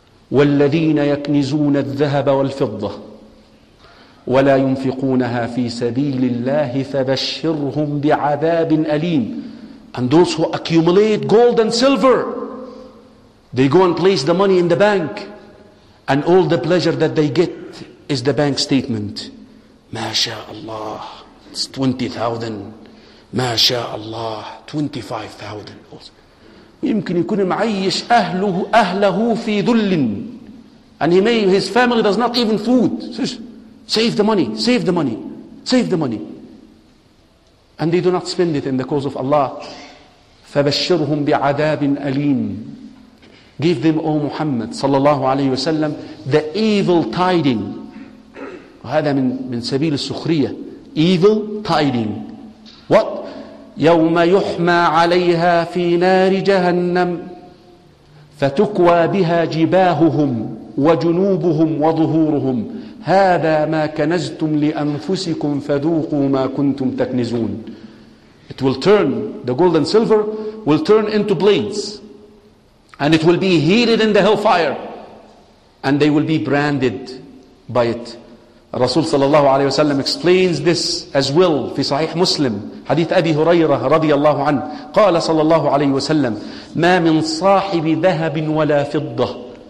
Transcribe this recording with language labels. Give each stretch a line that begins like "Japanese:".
Arabic: والذين يكنزون الذهب والفضة ولا ينفقونها في سبيل الله فبشرهم بعذاب أليم.
English: And those who accumulate gold and silver, they go and place the money in the bank and all the pleasure that they get is the bank statement.
Arabic: ما شاء الله,
English: it's 20,000.
Arabic: ما شاء الله, 25,000. يمكن يكون معيش أهله أهله في ذل.
English: And he may, his family does not even food. Save the money, save the money, save the money. And they do not spend it in the cause of Allah.
Arabic: فَبَشِّرْهُمْ بِعَذَابٍ أَلِيمٍ.
English: Give them, O Muhammad صلى الله عليه وسلم, the evil tiding.
Arabic: وهذا من سبيل السخرية.
English: Evil tiding. What?
Arabic: يَوْمَ يُحْمَى عَلَيْهَا فِي نَارِ جَهَنَّمْ فَتُكْوَى بِهَا جِبَاهُهُمْ وَجُنُوبُهُمْ وَظُهُورُهُمْ هَذَا مَا كَنَزْتُمْ لِأَنفُسِكُمْ فَذُوقُوا مَا كُنْتُمْ تَكْنِزُونَ.
English: It will turn, the gold and silver will turn into blades, and it will be heated in the hellfire, and they will be branded by it.
Arabic: Rasul sallallahu alayhi wa sallam
English: explains this as well
Arabic: في صحيح مسلم حديث أبي هريرة رضي الله عنه قال صلى الله عليه وسلم ما من صاحب ذهب ولا فضة.